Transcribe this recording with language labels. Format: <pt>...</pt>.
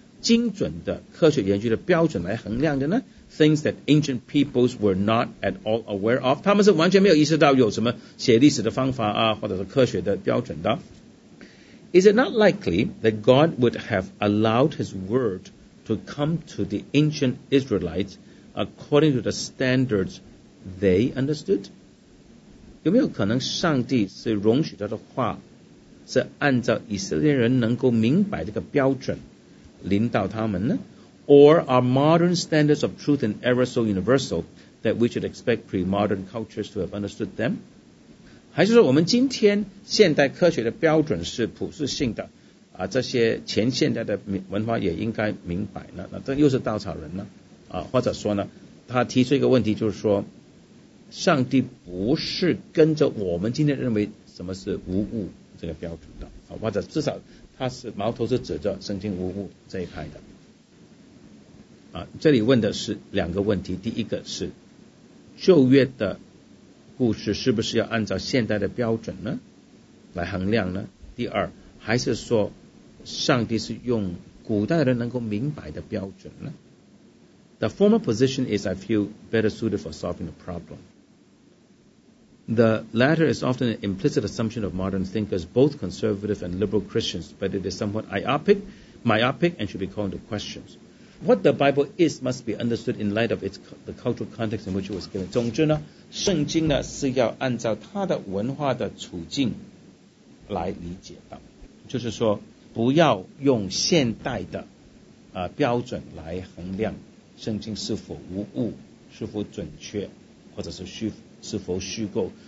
<zh>旧约的故事是不是，特别是早期就是创世纪这些故事呢，是不是要用现代的写历史的方法，或者是精准的科学研究的标准来衡量的呢？</zh> <en>Things that ancient peoples were not at all aware of.</en> <zh>他们是完全没有意识到有什么写历史的方法啊，或者是科学的标准的。</zh> <en>Is it not likely that God would have allowed His word to come to the ancient Israelites according to the standards they understood?</en> <zh>有没有可能上帝是容许他的话是按照以色列人能够明白这个标准领导他们呢？</zh> <en>Or are modern standards of truth and error so universal that we should expect pre-modern cultures to have understood them?</en> <zh>还是说我们今天现代科学的标准是普世性的，啊，这些前现代的文化也应该明白呢。那这又是稻草人呢，啊，或者说呢，他提出一个问题，就是说，上帝不是跟着我们今天认为什么是无误这个标准的，啊，或者至少他是矛头是指着圣经无误这一派的，啊，这里问的是两个问题，第一个是旧约的故事是不是要按照现代的标准呢来衡量呢？第二，还是说上帝是用古代人能够明白的标准呢？</zh> <en>The former position is, I feel, better suited for solving the problem. The latter is often an implicit assumption of modern thinkers, both conservative and liberal Christians, but it is somewhat myopic and should be called into question. What the Bible is must be understood in light of the cultural context in which it was given.</en> <zh>总之呢，圣经呢是要按照它的文化的处境来理解的，就是说不要用现代的标准来衡量圣经是否无误，是否准确，或者是是否虚构。</zh>